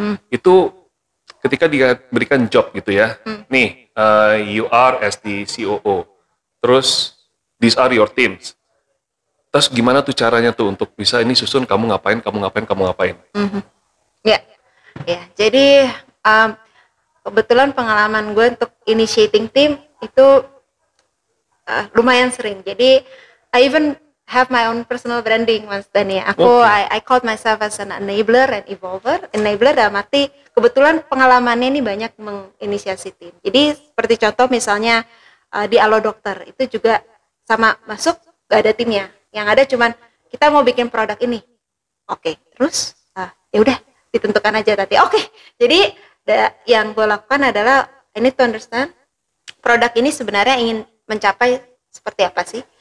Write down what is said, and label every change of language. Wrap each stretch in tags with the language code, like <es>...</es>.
<id>Itu ketika diberikan job gitu ya, nih,</id> <en>you are as the COO,</en> <id>terus</id> <en>these are your teams.</en> <id>Terus gimana tuh caranya tuh untuk bisa ini susun, kamu ngapain, kamu ngapain, kamu ngapain? Ya, jadi kebetulan pengalaman gue untuk initiating team itu lumayan sering.</id> <en>Jadi I even have my own personal branding, Mas Dani. Aku okay. I called myself as an enabler and evolver.</en> <id>Enabler dalam arti kebetulan pengalamannya ini banyak menginisiasi tim. Jadi seperti contoh misalnya di Alo Dokter itu juga sama masuk gak ada timnya. Yang ada cuman kita mau bikin produk ini. Oke, okay. Terus ya udah ditentukan aja tadi. Oke. Okay. Jadi yang gue lakukan adalah</id> <en>I need to understand</en> <id>produk ini sebenarnya ingin mencapai seperti apa sih?</id>